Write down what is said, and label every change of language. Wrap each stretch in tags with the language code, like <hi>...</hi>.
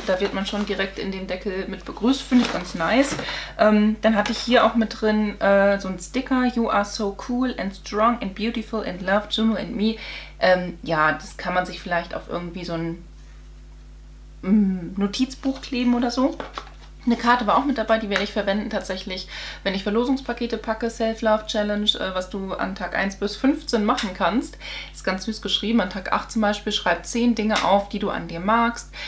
<de>Da wird man schon direkt in den Deckel mit begrüßt. Finde ich ganz nice. Dann hatte ich hier auch mit drin so einen Sticker.</de> <en>You are so cool and strong and beautiful and love, Jono & Me.</en> <de>Das kann man sich vielleicht auf irgendwie so ein Notizbuch kleben oder so. Eine Karte war auch mit dabei, die werde ich verwenden tatsächlich, wenn ich Verlosungspakete packe, Self-Love-Challenge, was du an Tag 1 bis 15 machen kannst. Ist ganz süß geschrieben, an Tag 8 zum Beispiel schreib 10 Dinge auf, die du an dir magst.</de>